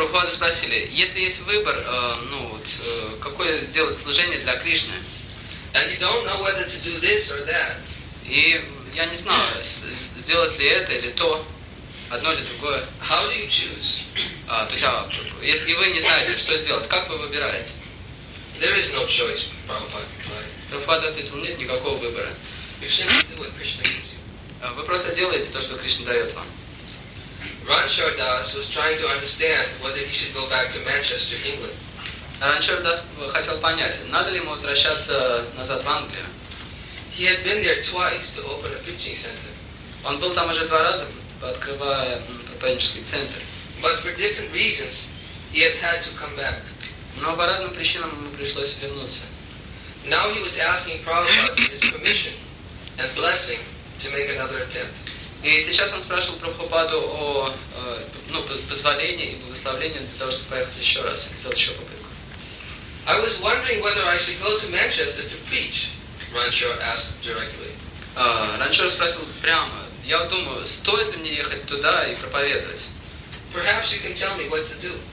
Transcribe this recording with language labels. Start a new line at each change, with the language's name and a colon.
Russian: Спросили, если есть выбор, ну вот, какое сделать служение для Кришны?
English: And you don't know whether to do this or that.
Russian: И я не знаю, сделать ли это или то, одно или другое.
English: How do you choose?
Russian: То есть, если вы не знаете, что сделать, как вы выбираете?
English: There is no choice, Prabhupada.
Russian: Прабхупада ответил, нет никакого выбора.
English: You simply do what Krishna gives you.
Russian: Вы просто делаете то, что Кришна дает вам.
English: Ranchar Das was trying to understand whether he should go back to Manchester, England.
Russian: Ranchar Das хотел понять, надо ли ему возвращаться назад в Англию.
English: He had been there twice to open a preaching center.
Russian: Он был там уже два раза, открывая проповеднический центр.
English: But for different reasons, he had had to come back.
Russian: Но по разным причинам ему пришлось вернуться.
English: Now he was asking Prabhupada his permission and blessing to make another attempt.
Russian: И сейчас он спрашивал Прабхупаду о ну, позволении и благословении для того, чтобы поехать еще раз, сделать еще попытку.
English: I was wondering whether I should go to Manchester to preach, Ranchar asked directly.
Russian: Ranchar спросил прямо, я думаю, стоит ли мне ехать туда и проповедовать?
English: Perhaps you can tell me what to do.